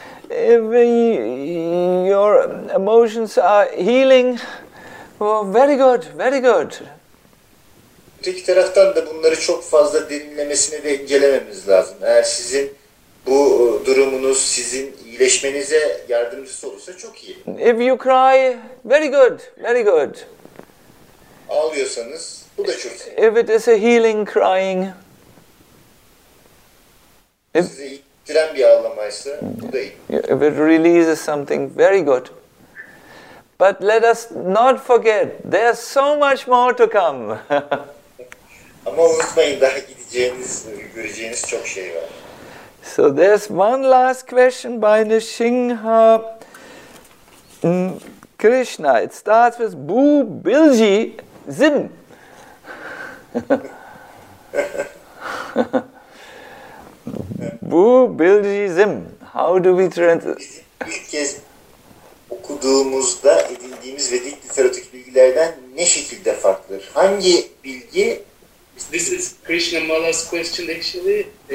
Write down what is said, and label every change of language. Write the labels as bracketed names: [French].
[English] If your emotions are healing, well, very good, very good. [Turkish] Öteki taraftan da bunları çok fazla derinlemesine de incelememiz lazım. Eğer sizin bu durumunuz sizin iyileşmenize yardımcısı olursa çok iyi. [English] If you cry, very good, very good. [Turkish] Ağlıyorsanız bu da çok iyi. [English] If it is a healing crying. [Turkish] Size ittiren bir ağlamaysa bu da iyi. [English] If it releases something, very good. But let us not forget, there's so much more to come. [Turkish] Ama unutmayın, daha gideceğiniz, göreceğiniz çok şey var. [English] So there's one last question by Nishinha Krishna. It starts with [Turkish] Bu Bilji Zim. Bu Bilji Zim. [English] How do we translate? [Turkish] İlk kez okuduğumuzda edindiğimiz Vedik literatürdeki bilgilerden ne şekilde farklıdır? Hangi bilgi? [English] This is Krishna Mala's question actually.